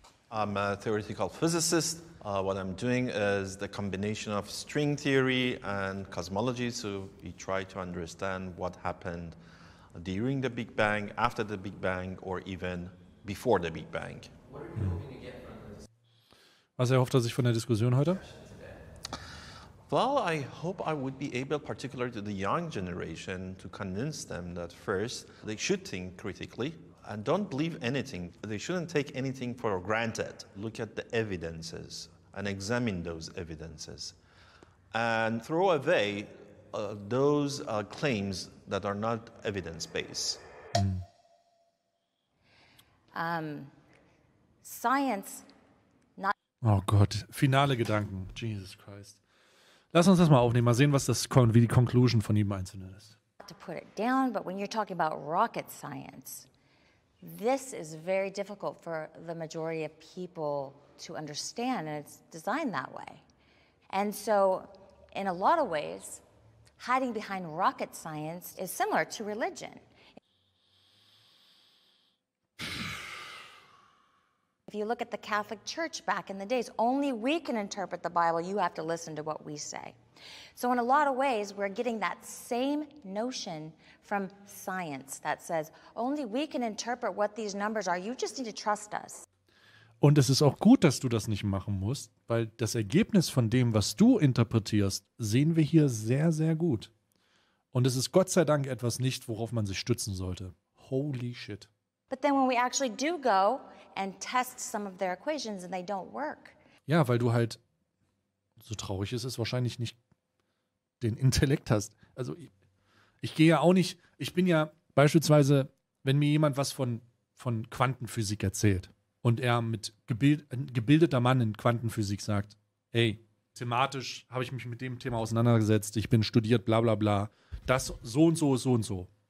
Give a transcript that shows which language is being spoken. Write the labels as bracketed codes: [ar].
[en] I'm a theoretical physicist. What I'm doing is the combination of string theory and cosmology. So we try to understand what happened during the Big Bang, after the Big Bang, or even before the Big Bang. [de] Was erhofft er sich von der Diskussion heute? [en] Well, I hope I would be able, particularly to the young generation, to convince them that first, they should think critically. And don't believe anything. They shouldn't take anything for granted. Look at the evidences and examine those evidences. And throw away those claims that are not evidence-based. Science, not... [de] Oh Gott, finale Gedanken. [en] Jesus Christ. [de] Lass uns das mal aufnehmen, mal sehen, was das, wie die Conclusion von jedem Einzelnen ist. [en] Not to put it down, but when you're talking about rocket science... This is very difficult for the majority of people to understand, and it's designed that way. And so, in a lot of ways, hiding behind rocket science is similar to religion. If you look at the Catholic Church back in the days, only we can interpret the Bible. You have to listen to what we say. So in a lot of ways, we're getting that same notion from science that says, only we can interpret what these numbers are. You just need to trust us. [de] Und es ist auch gut, dass du das nicht machen musst, weil das Ergebnis von dem, was du interpretierst, sehen wir hier sehr, sehr gut. Und es ist Gott sei Dank etwas nicht, worauf man sich stützen sollte. [en] Holy shit. But then when we actually do go and test some of their equations and they don't work. [de] Ja, weil du halt, so traurig ist es, wahrscheinlich nicht den Intellekt hast. Also ich gehe ja auch nicht, ich bin ja beispielsweise, wenn mir jemand was von Quantenphysik erzählt und er mit gebildeter Mann in Quantenphysik sagt, ey, thematisch habe ich mich mit dem Thema auseinandergesetzt, ich bin studiert, bla bla bla, das so und so, so und so.